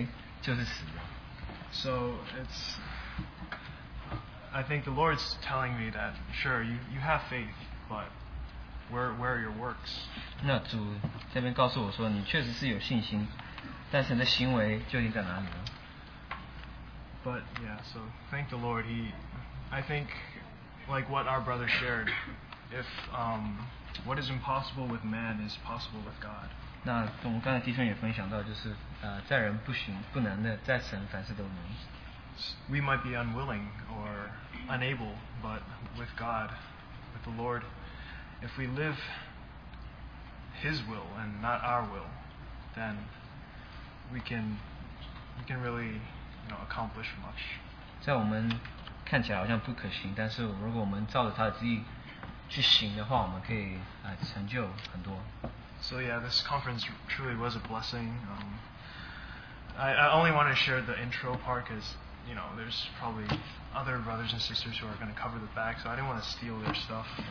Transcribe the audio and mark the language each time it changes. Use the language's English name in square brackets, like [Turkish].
[Chinese] 这样，信心若没有行为，就是死了。So [English] it's, I think the Lord's telling me that, sure, you have faith, but where are your works? [Chinese] 那主这边告诉我说，你确实是有信心，但是你的行为究竟在哪里呢？ [English] But yeah, so thank the Lord. I think, what our brother shared, if what is impossible with man is possible with God. [Chinese] 那我们刚才弟兄也分享到，就是在人不行不能的，在神凡事都能。 [English] sometimes we might be unwilling or unable, but with God, with the Lord, if we live His will and not our will, then we can really, you know, accomplish much. [Chinese] 在我们看起来好像不可行, 但是如果我们照着他的旨意去行的话, 我们可以, 成就很多。 [English] So yeah, this conference truly was a blessing. I only want to share the intro part because, you know, there's probably other brothers and sisters who are going to cover the back, so I didn't want to steal their stuff.